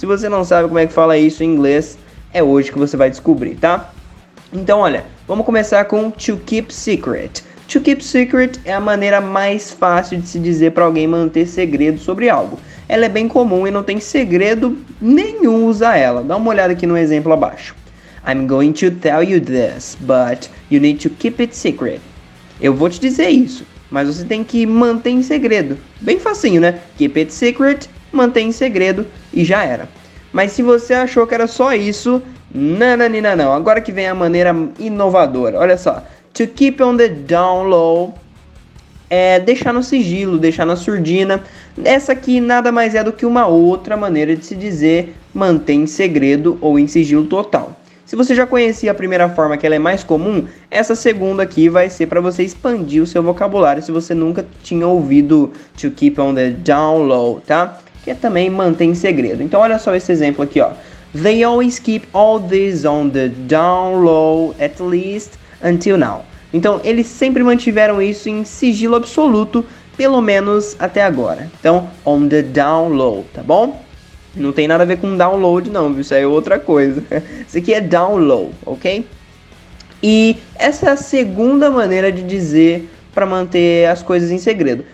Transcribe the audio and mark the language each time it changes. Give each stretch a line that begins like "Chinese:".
Portuguese: Se você não sabe como é que fala isso em inglês, é hoje que você vai descobrir, tá? Então, olha, vamos começar com to keep secret. To keep secret é a maneira mais fácil de se dizer para alguém manter segredo sobre algo. Ela é bem comum e não tem segredo nenhum usar ela. Dá uma olhada aqui no exemplo abaixo.
English: I'm going to tell you this, but you need to keep it secret.
Portuguese: Eu vou te dizer isso, mas você tem que manter em segredo. Bem facinho, né? Keep it secret, mantém em segredo e já era. Mas se você achou que era só isso, nananina não. Agora que vem a maneira inovadora, olha só. To keep on the down low é deixar no sigilo, deixar na surdina. Essa aqui nada mais é do que uma outra maneira de se dizer mantém em segredo ou em sigilo total. Se você já conhecia a primeira forma, que ela é mais comum, essa segunda aqui vai ser para você expandir o seu vocabulário se você nunca tinha ouvido to keep on the down low, tá? Que é também manter em segredo. Então olha só esse exemplo aqui, ó.
English: They always keep all this on the down low at least until now.
Portuguese: Então eles sempre mantiveram isso em sigilo absoluto, pelo menos até agora. Então on the down low, tá bom? Não tem nada a ver com download não, viu? Isso aí é outra coisa. Isso aqui é download, ok? E essa é a segunda maneira de dizer para manter as coisas em segredo.